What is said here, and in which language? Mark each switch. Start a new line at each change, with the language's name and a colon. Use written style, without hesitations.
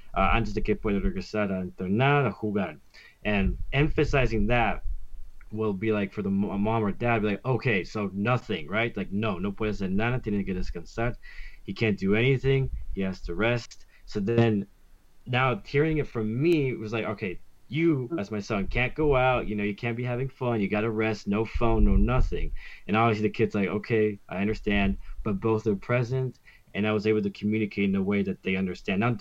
Spanish: Antes de que pueda regresar a entrenar, a jugar.
English: And emphasizing that will be like for the mom or dad, be like, okay, so nothing, right?
Spanish: Like, no puede hacer nada, tiene que descansar.
English: He can't do anything, he has to rest. So then, now hearing it from me, it was like, okay, you, as my son, can't go out. You know, you can't be having fun. You got to rest. No phone, no nothing. And obviously the kid's like, okay, I understand. But both are present, and I was able to communicate in a way that they understand.